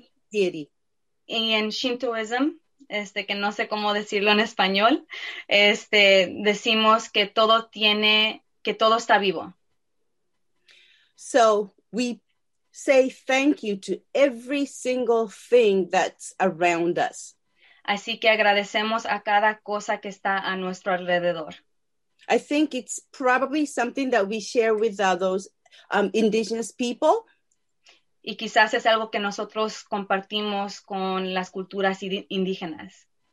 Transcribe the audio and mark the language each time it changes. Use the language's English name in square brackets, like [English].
[Spanish] Y en Shintoism, que no sé cómo decirlo en español, decimos que todo tiene, que todo está vivo. [English] So we say thank you to every single thing that's around us. [Spanish] Así que agradecemos a cada cosa que está a nuestro alrededor. [English] I think it's probably something that we share with those indigenous people. [Spanish] Y quizás es algo que nosotros compartimos con las culturas indígenas.